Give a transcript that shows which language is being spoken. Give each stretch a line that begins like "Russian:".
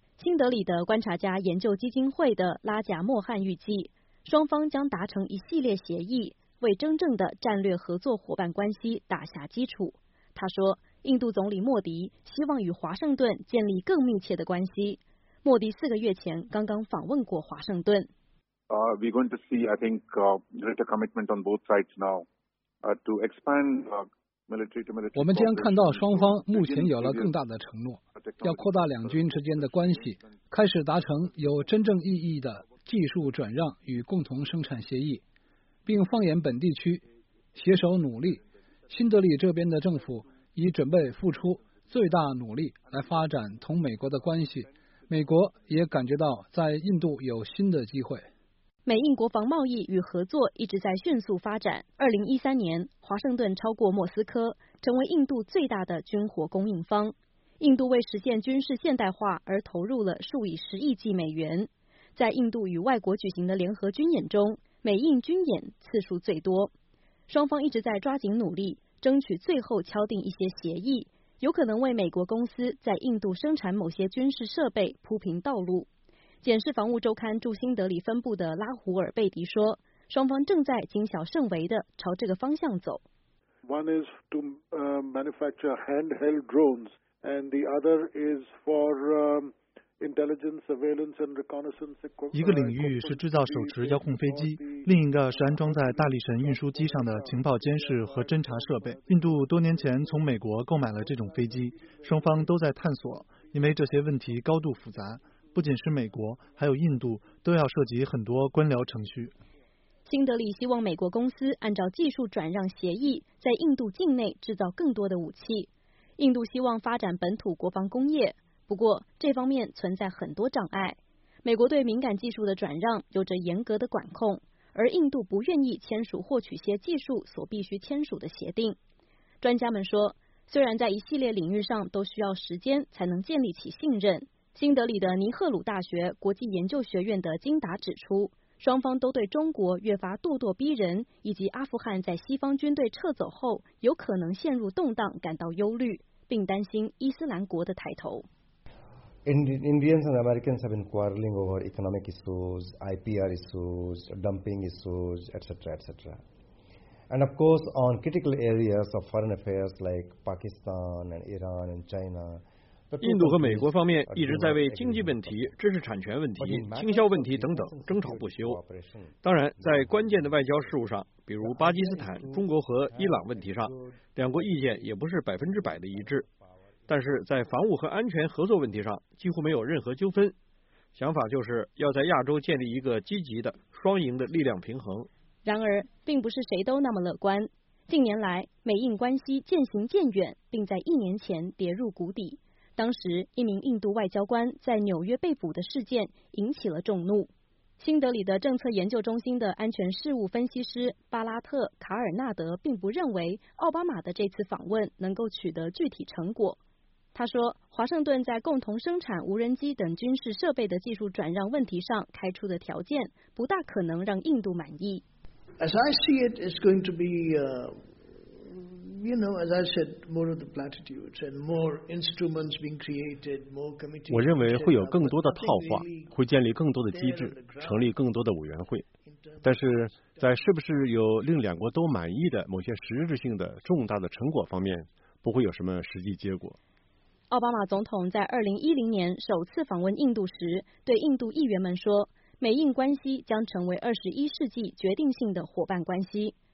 Chinese: 新德里的观察家研究基金会的拉贾莫汉预计，双方将达成一系列协议，为真正的战略合作伙伴关系打下基础。他说，印度总理莫迪希望与华盛顿建立更密切的关系。莫迪4个月前刚刚访问过华盛顿。
English: We're going to see, I think, greater commitment on both sides now to expand military to military.
Chinese: 我们将看到双方目前有了更大的承诺，要扩大两军之间的关系，开始达成有真正意义的技术转让与共同生产协议，并放眼本地区，携手努力。新德里这边的政府已准备付出最大努力来发展同美国的关系，美国也感觉到在印度有新的机会。美印国防贸易与合作一直在迅速发展。 2013年，华盛顿超过莫斯科，成为印度最大的军火供应方。印度为实现军事现代化而投入了数以10亿美元。在印度与外国举行的联合军演中，美印军演次数最多。双方一直在抓紧努力，争取最后敲定一些协议，有可能为美国公司在印度生产某些军事设备铺平道路。检视防务周刊驻新德里分部的拉胡尔贝迪说，双方正在谨小慎微地朝这个方向走。
English: One is to manufacture handheld drones, and the other is for intelligence, surveillance, and reconnaissance equipment.
Chinese: 一个领域是制造手持遥控飞机，另一个是安装在大力神运输机上的情报监视和侦察设备。印度多年前从美国购买了这种飞机，双方都在探索，因为这些问题高度复杂。不仅是美国，还有印度都要涉及很多官僚程序。新德里希望美国公司按照技术转让协议，在印度境内制造更多的武器。印度希望发展本土国防工业，不过这方面存在很多障碍。美国对敏感技术的转让有着严格的管控，而印度不愿意签署获取些技术所必须签署的协定。专家们说，虽然在一系列领域上都需要时间才能建立起信任，新德里的尼赫鲁大学国际研究学院的金达指出，双方都对中国越发咄咄逼人以及阿富汗在西方军队撤走后有可能陷入动荡感到忧虑，并担心伊斯兰国的抬头。
English: Indians and Americans have been quarreling over economic issues, IPR issues, dumping issues, etc., etc. And of course, on critical areas of foreign affairs like Pakistan and Iran and China.
Chinese: 印度和美国方面一直在为经济问题、知识产权问题、倾销问题等等争吵不休。当然，在关键的外交事务上，比如巴基斯坦、中国和伊朗问题上，两国意见也不是100%的一致。但是在防务和安全合作问题上，几乎没有任何纠纷。想法就是要在亚洲建立一个积极的、双赢的力量平衡。然而，并不是谁都那么乐观。近年来，美印关系渐行渐远，并在一年前跌入谷底。当时一名印度外交官在纽约被捕的事件引起了众怒。新德里的政策研究中心的安全事务分析师巴拉特·卡尔纳德并不认为奥巴马的这次访问能够取得具体成果。他说，华盛顿在共同生产无人机等军事设备的技术转让问题上开出的条件不大可能让印度满意。
English: As I see it, it's going to be as I said, more of the platitudes and more instruments being created, more committees.
Chinese: 我认为会有更多的套话，会建立更多的机制，成立更多的委员会。但是在是不是有令两国都满意的某些实质性的重大的成果方面，不会有什么实际结果。奥巴马总统在2010年首次访问印度时，对印度议员们说，美印关系将成为21世纪决定性的伙伴关系。